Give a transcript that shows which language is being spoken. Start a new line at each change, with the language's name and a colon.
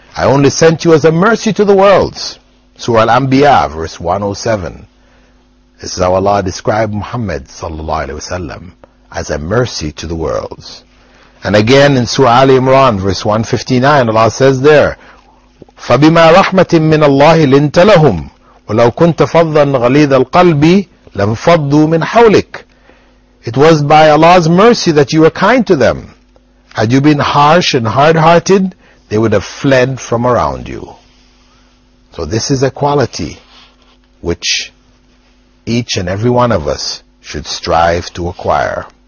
English: I only sent you as a mercy to the worlds. Surah Al-Anbiya, verse 107. This is how Allah described Muhammad sallallahu alayhi wasallam, as a mercy to the worlds. And again in Surah Ali Imran, verse 159, Allah says there,
Arabic: فَبِمَا رَحْمَةٍ مِّنَ اللَّهِ لِنْتَ لَهُمْ ولو كنت فظا غليظ القلب لانفضوا من حولك.
English: It was by Allah's mercy that you were kind to them. Had you been harsh and hard-hearted, they would have fled from around you. So this is a quality which each and every one of us should strive to acquire.